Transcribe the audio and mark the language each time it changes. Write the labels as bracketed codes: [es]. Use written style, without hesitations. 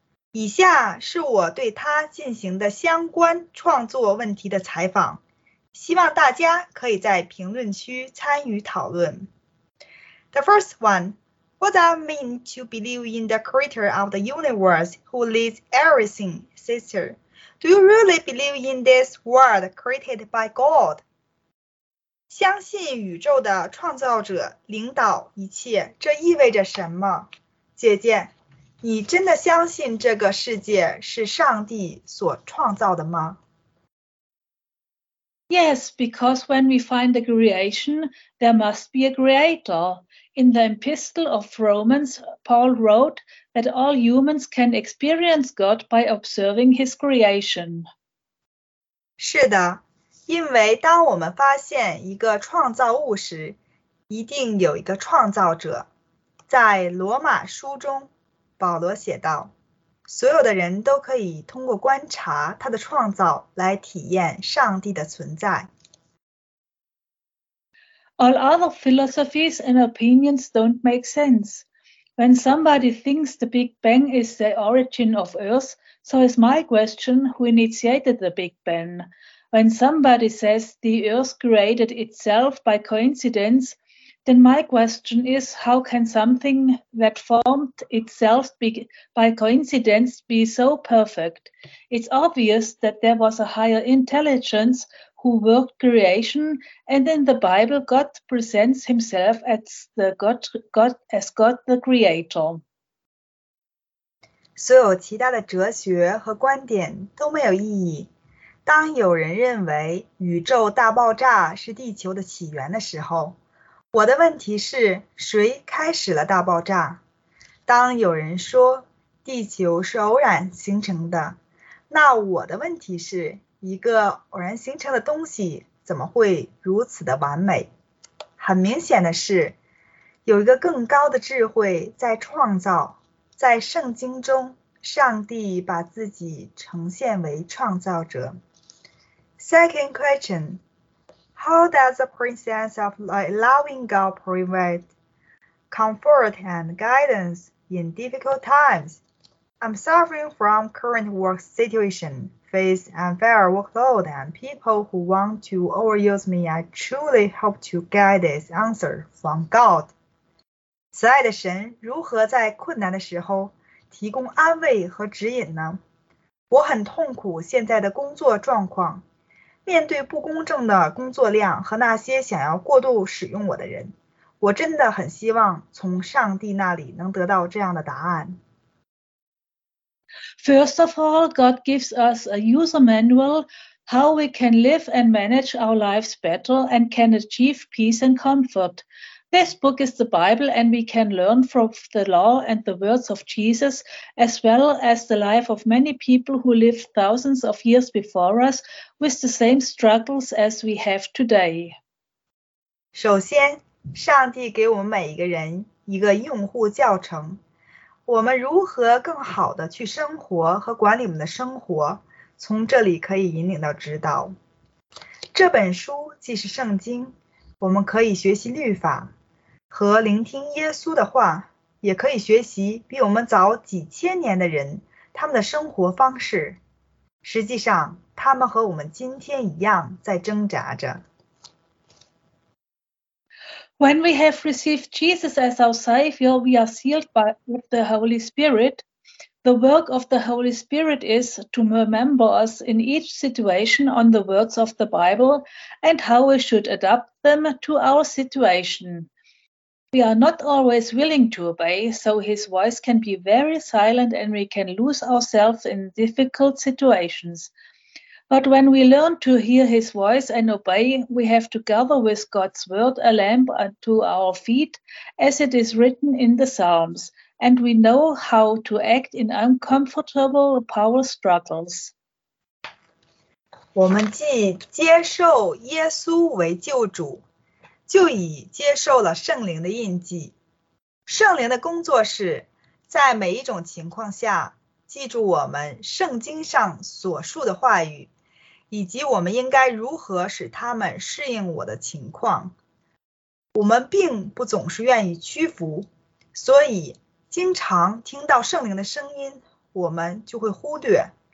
[zh] 以下是我对他进行的相关创作问题的采访，希望大家可以在评论区参与讨论。 [en] The first one, what does it mean to believe in the creator of the universe who leads everything, sister? Do you really believe in this world created by God? [zh] 相信宇宙的创造者领导一切，这意味着什么？姐姐，你真的相信这个世界是上帝所创造的吗？ [en] Yes, because when we find a creation, there must be a creator. In the Epistle of Romans, Paul wrote that all humans can experience God by observing his creation. [zh] 是的，因为当我们发现一个创造物时，一定有一个创造者。在罗马书中保罗写道，所有的人都可以通过观察他的创造来体验上帝的存在。 [en] All other philosophies and opinions don't make sense. When somebody thinks the Big Bang is the origin of Earth, so is my question, who initiated the Big Bang? When somebody says the Earth created itself by coincidenceThen my question is, how can something that formed itself by coincidence be so perfect? It's obvious that there was a higher intelligence who worked creation, and in the Bible, God presents himself as God the creator. [zh] 所有其他的哲学和观点都没有意义。当有人认为宇宙大爆炸是地球的起源的时候，我的问题是，谁开始了大爆炸？当有人说地球是偶然形成的，那我的问题是，一个偶然形成的东西怎么会如此的完美？很明显的是，有一个更高的智慧在创造。在圣经中，上帝把自己呈现为创造者。 [en] Second question. How does the presence of a loving God provide comfort and guidance in difficult times? I'm suffering from current work situation, face unfair workload, and people who want to overuse me. I truly hope to get this answer from God. [zh] 慈爱的神如何在困难的时候提供安慰和指引呢？我很痛苦现在的工作状况。面对不公正的工作量和那些想要过度使用我的人，我真的很希望从上帝那里能得到这样的答案。 [en] First of all, God gives us a user manual how we can live and manage our lives better and can achieve peace and comfort. This book is the Bible and we can learn from the law and the words of Jesus as well as the life of many people who lived thousands of years before us with the same struggles as we have today. [zh] 首先，上帝给我们每一个人一个用户教程，我们如何更好地去生活和管理我们的生活，从这里可以引领到指导。这本书既是圣经，我们可以学习律法和聆听耶稣的话，也可以学习比我们早几千年的人他们的生活方式。实际上，他们和我们今天一样在挣扎着。 [en] When we have received Jesus as our Savior, we are sealed by the Holy Spirit. The work of the Holy Spirit is to remember us in each situation on the words of the Bible and how we should adapt them to our situation. We are not always willing to obey, so his voice can be very silent and we can lose ourselves in difficult situations. But when we learn to hear his voice and obey, we have to gather with God's word a lamp unto our feet, as it is written in the Psalms, and we know how to act in uncomfortable power struggles. [zh] 我们既接受耶稣为救主，就已接受了圣灵的印记。圣灵的工作是在每一种情况下记住我们圣经上所述的话语，以及我们应该如何使他们适应我的情况。我们并不总是愿意屈服，所以经常听到圣灵的声音，我们就会忽略。